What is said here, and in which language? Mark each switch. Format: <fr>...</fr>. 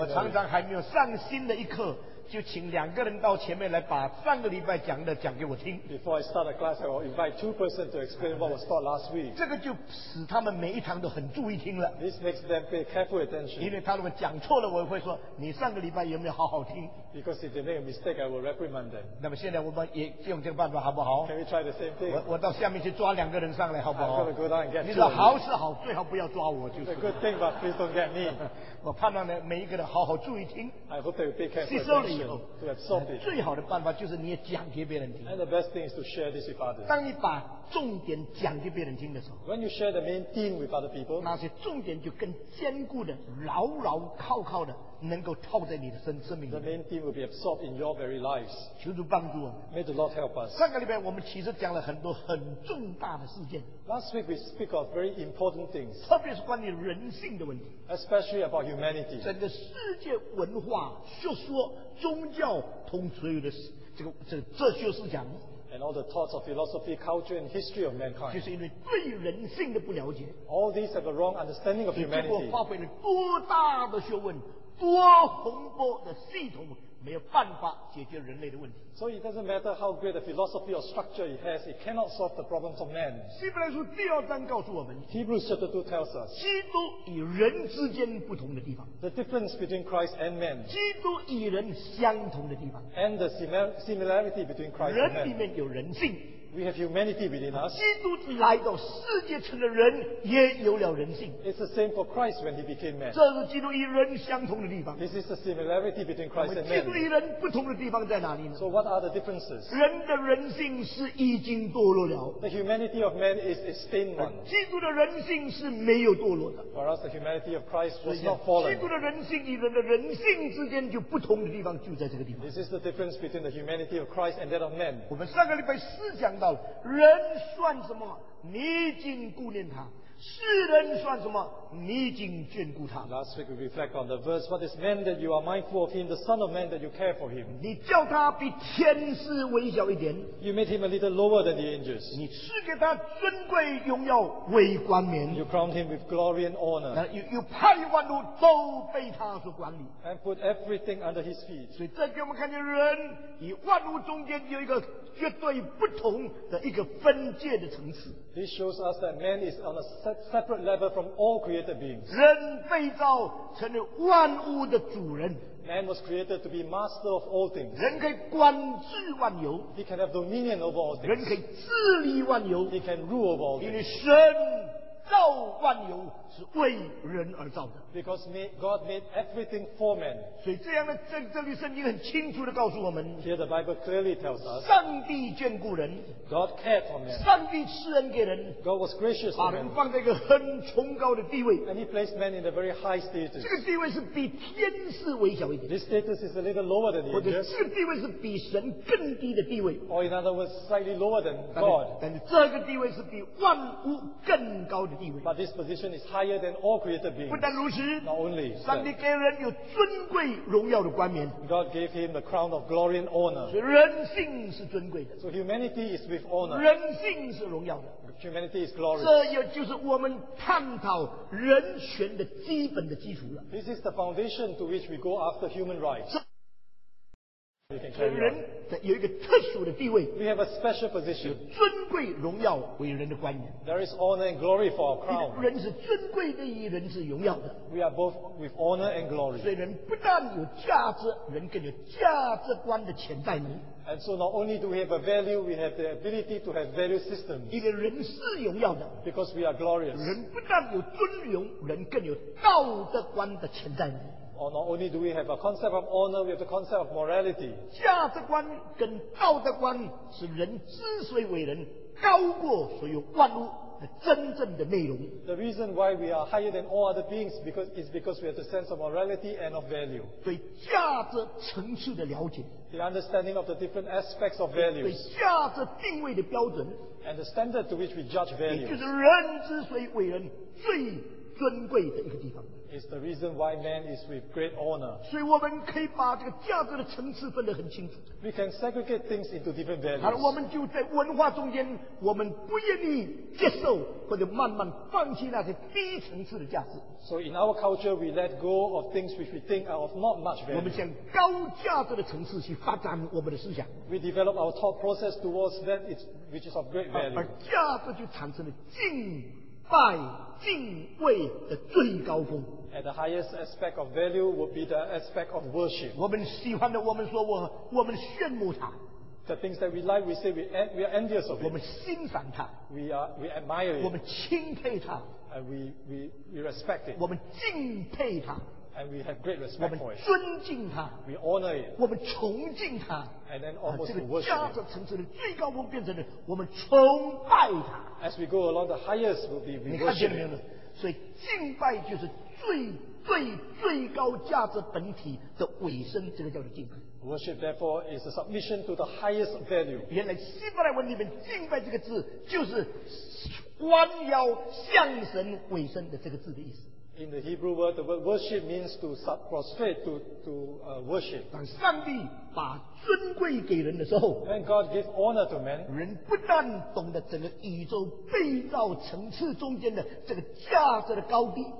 <zh>我常常还没有上新的一课，就请两个人到前面来把上个礼拜讲的讲给我听。</zh> <en>Before I start a class, I will invite two persons to explain what was taught last week.</en> <zh>这个就使他们每一堂都很注意听了。</zh> <en>This makes them pay careful attention.</en> <zh>因为他们讲错了，我会说你上个礼拜有没有好好听。</zh> <en>Because if they make a mistake, I will reprimand them.</en> <zh>那么现在我们也用这个办法好不好？</zh> <en>Can we try the same thing?</en> <zh>我到下面去抓两个人上来好不好？</zh> <en>I'm going to go down and get</en> <zh>你说好是好，最好不要抓我，就是。</zh> <en>It's a good thing, but please don't get me.</en> <zh>我盼望呢每一个人好好注意听。</zh> <en>I hope they will pay careful attention. To absorb it.</en> <zh>最好的办法就是你也讲给别人听。</zh> <en>And the best thing is to share this with others.</en> <zh>当你把重点讲给别人听的时候，</zh> <en>When you share the main theme with other people,</en> <zh>那些重点就更坚固的牢牢靠靠的能够套在你的生命里。</zh> <en>The main theme will be absorbed in your very lives.</en> <zh>求主帮助我。</zh> <en>May the Lord help us.</en> <zh>上个礼拜我们其实讲了很多很重大的事件。</zh> <en>Last week we speak of very important things.</en> <zh>特别是关于人性的问题。</zh> <en>Especially about humanity.</en> <zh>整个世界文化学说宗教统治于的哲学思想。</zh> <en>And all the thoughts of philosophy, culture, and history of mankind.</en> <zh>就是因为对人性的不了解。</zh> <en>All these have a wrong understanding of humanity.</en> <zh>结果发挥了多大的学问，多宏博的系统，没有办法解决人类的问题。</zh> <en>So it doesn't matter how great a philosophy or structure it has, it cannot solve the problems of man.</en> <zh>希伯来书第二章告诉我们。</zh> <en>Hebrews chapter 2 tells us.</en> <zh>基督与人之间不同的地方。</zh> <en>The difference between Christ and man.</en> <zh>基督与人相同的地方。</zh> <en>And the similarity between Christ and man.</en> <zh>人里面有人性。</zh> <en>We have humanity within us.</en> <zh>基督来到世界成了人，也有了人性。</zh> <en>It's the same for Christ when he became man.</en> <zh>这是基督与人相同的地方。</zh> <en>This is the similarity between Christ and man.</en> <zh>基督与人不同的地方在哪里呢？</zh> <en>So what are the differences?</en> <zh>人的人性是已经堕落了。</zh> <en>The humanity of man is a stained one.</en> <zh>基督的人性是没有堕落的。</zh> <en>Whereas the humanity of Christ was not fallen.</en> <zh>基督的人性与人的人性之间就不同的地方就在这个地方。</zh> <en>This is the difference between the humanity of Christ and that of man.</en> <zh>我们上个礼拜思想到人算什么，你已经顾念他，世人算什么？你已经眷顾他。</zh> <en>Last week we reflect on the verse, what is man that you are mindful of him, the son of man that you care for him.</en> <zh>你叫他比天使微小一点。</zh> <en>You made him a little lower than the angels.</en> <zh>你赐给他尊贵荣耀为冠冕。</zh> <en>You crowned him with glory and honor.</en> <zh>那 you 派万物都被他所管理。</zh> <en>And put everything under his feet.</en> <zh>所以这给我们看见人与万物中间有一个绝对不同的一个分界的层次。</zh> <en>This shows us that man is on a separate level from all created beings.</en> <zh>人被造成了万物的主人。</zh> <en>Man was created to be master of all things.</en> <zh>人可以管制万有。</zh> <en>He can have dominion over all things.</en> <zh>人可以治理万有。</zh> <en>He can rule over all things.</en> <zh>因为神造万有是为人而造的。</zh> <en>Because God made everything for man.</en> <zh>所以这样的这里圣经很清楚地告诉我们。</zh> <en>Here the Bible clearly tells us.</en> <zh>上帝眷顾人。</zh> <en>God cared for man.</en> <zh>上帝施恩给人。</zh> <en>God was gracious to man.</en> <zh>把人放在一个很崇高的地位。</zh> <en>And he placed man in a very high status.</en> <zh>这个地位是比天使微小一点。</zh> <en>This status is a little lower than the angels.</en> <zh>或者这个地位是比神更低的地位。</zh> <en>Or in other words, slightly lower than God.</en> <zh>但是这个地位是比万物更高的地位。</zh> <en>But this position is higher than all created beings.</en> <zh>不但如此。</zh> <en>Not only.</en> <zh>上帝给人有尊贵荣耀的冠冕。</zh> <en>God gave him the crown of glory and honor.</en> <zh>所以人性是尊贵的。</zh> <en>So humanity is with honor.</en> <zh>人性是荣耀的。</zh> <en>Humanity is glorious.</en> <zh>这也就是我们探讨人权的基本的基础了。</zh> <en>This is the foundation to which we go after human rights.</en> <zh>人有一个特殊的地位。</zh> <en>We have a special position.</en> <zh>有尊贵荣耀为人的冠冕。</zh> <en>There is honor and glory for our crown.</en> <zh>人是尊贵的，人是荣耀的。</zh> <en>We are both with honor and glory.</en> <zh>所以人不但有价值，人更有价值观的潜在能力。</zh> <en>And so not only do we have a value, we have the ability to have value systems.</en> <zh>因为人是荣耀的。</zh> <en>Because we are glorious.</en> <zh>人不但有尊荣，人更有道德观的潜在能力。</zh> <en>Or not only do we have a concept of honor, we have the concept of morality.</en> <zh>价值观跟道德观是人之所以为人，高过所有万物的真正的内容。</zh> <en>The reason why we are higher than all other beings is because we have the sense of morality and of value.</en> <zh>对价值层次的了解。</zh> <en>The understanding of the different aspects of values.</en> <zh>对价值定位的标准。</zh> <en>And the standard to which we judge values.</en> <zh>就是人之所以为人最尊贵的一个地方。</zh> <en>Is the reason why man is with great honor.</en> <zh>所以我们可以把这个价值的层次分得很清楚。</zh> <en>We can segregate things into different values.</en> <zh>而我们就在文化中间，我们不愿意接受或者慢慢放弃那些低层次的价值。</zh> <en>So in our culture, we let go of things which we think are of not much value.</en> <zh>我们向高价值的层次去发展我们的思想。</zh> <en>We develop our thought process towards that which is of great value.</en> <zh>而价值就产生了敬拜敬畏的最高峰。</zh> <en>And the highest aspect of value would be the aspect of worship.</en> <zh>我们喜欢的，我们说我们羡慕他。</zh> <en>The things that we like, we say we are envious of it.</en> <zh>我们欣赏他。</zh> <en>We admire it.</en> <zh>我们钦佩他。</zh> <en>And we respect it.</en> <zh>我们敬佩他。</zh> <en>And we have great respect for it.</en> <zh>我们尊敬他。</zh> <en>We honor it.</en> <zh>我们崇敬他。</zh> <en>And then almost to worship.</en> <zh>这个价值层次的最高峰变成了我们崇拜他。</zh> <en>As we go along, the highest will be we worship.</en> <zh>你看见了没有？所以敬拜就是。最最最高价值本体的尾声，这个叫做敬拜。</zh> <en>Worship therefore is a submission to the highest value.</en> <zh>原来希伯来文里面敬拜这个字就是弯腰向神尾声的这个字的意思。</zh> <en>In the Hebrew word, the word worship means to prostrate, worship.</en> <zh>当上帝把尊贵给人的时候，</zh> <en>when God gives honor to man,</en> <zh>人不但懂得整个宇宙被造层次中间的这个价值的高低。</zh>